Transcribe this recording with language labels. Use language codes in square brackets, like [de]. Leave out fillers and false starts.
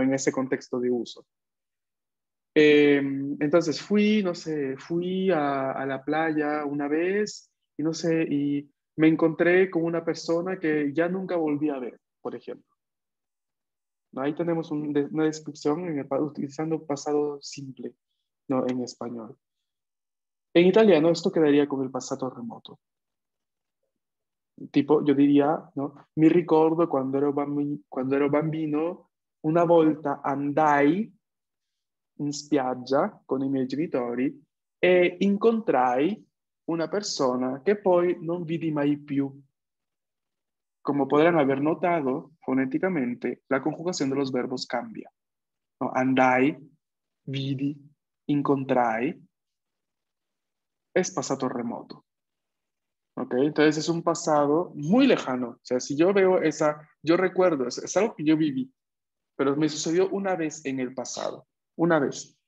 [es] En ese contexto de uso. Entonces fui, no sé, fui a la playa una vez y no sé, y me encontré con una persona que ya nunca volví a ver, por ejemplo. Ahí tenemos una descripción utilizando pasado simple, ¿no? En español. En italiano esto quedaría con el pasado remoto. Tipo, yo diría, ¿no? [it] Mi ricordo cuando ero bambino, una volta andai in spiaggia con i miei genitori e incontrai una persona che poi non vidi mai più. [es] Como podrán haber notado fonéticamente, la conjugación de los verbos cambia. ¿No? [it] Andai, vidi, incontrai, [es] es pasado remoto. ¿Okay? Entonces es un pasado muy lejano. O sea, si yo veo yo recuerdo, es algo que yo viví, pero me sucedió una vez en el pasado, una vez.